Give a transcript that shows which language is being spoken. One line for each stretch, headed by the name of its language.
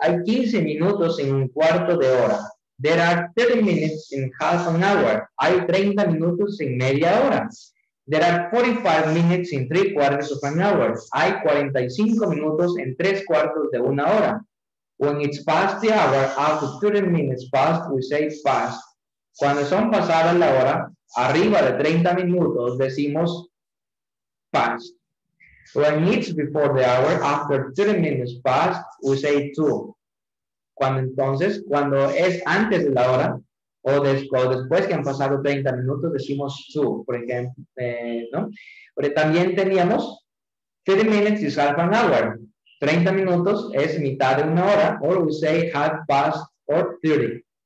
Spanish: Hay 15 minutos en un cuarto de hora.
English: There are 30 minutes in half an hour.
Spanish: Hay 30 minutos en media hora.
English: There are 45 minutes in 3/4 of an hour.
Spanish: Hay 45 minutos en 3/4 de una hora.
English: When it's past the hour, after 30 minutes past, we say past.
Spanish: Cuando son pasadas la hora, arriba de 30 minutos, decimos past.
English: When it's before the hour, after 30 minutes past, we say 2.
Spanish: Cuando es antes de la hora, o después que han pasado 30 minutos, decimos 2, por ejemplo, ¿no? Pero también teníamos
English: 30 minutes is half an hour.
Spanish: 30 minutos es mitad de una hora,
English: or we say half past or 30.